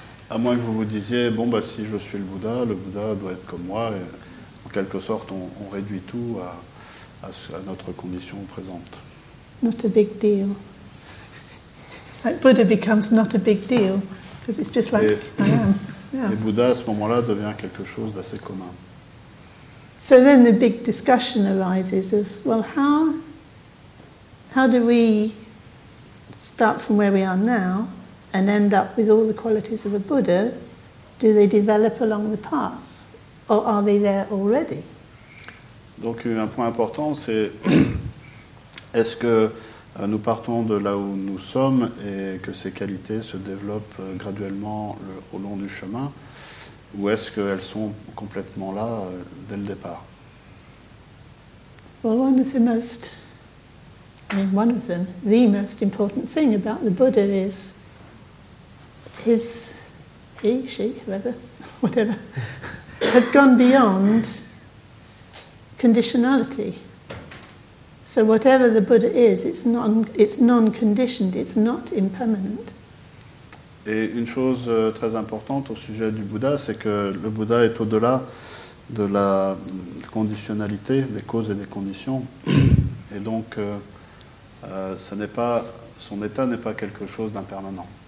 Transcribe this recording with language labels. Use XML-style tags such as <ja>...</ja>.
<fr>À moins que vous vous disiez, bon, bah, si je suis le Bouddha doit être comme moi. Et, en quelque sorte, on réduit tout à notre condition présente.</fr> <en>Not a big deal. Like Buddha becomes not a big deal because it's just like I am. Yeah.</en> <fr>Et Bouddha, à ce moment-là, devient quelque chose d'assez commun.</fr> <en>So then the big discussion arises of, well, how do we start from where we are now and end up with all the qualities of a Buddha? Do they develop along the path? Or are they there already?</en> <fr>Donc un point important, c'est est-ce que nous partons de là où nous sommes et que ces qualités se développent graduellement au long du chemin, ou est-ce qu'elles sont complètement là dès le départ?</fr> <en>Well, the most important thing about the Buddha is has gone beyond conditionality. So whatever the Buddha is, it's non-conditioned, it's not impermanent.</en> <fr>Et une chose très importante au sujet du Bouddha, c'est que le Bouddha est au-delà de la conditionnalité, des causes et des conditions. Et donc, ce n'est pas, son état n'est pas quelque chose d'impermanent.</fr>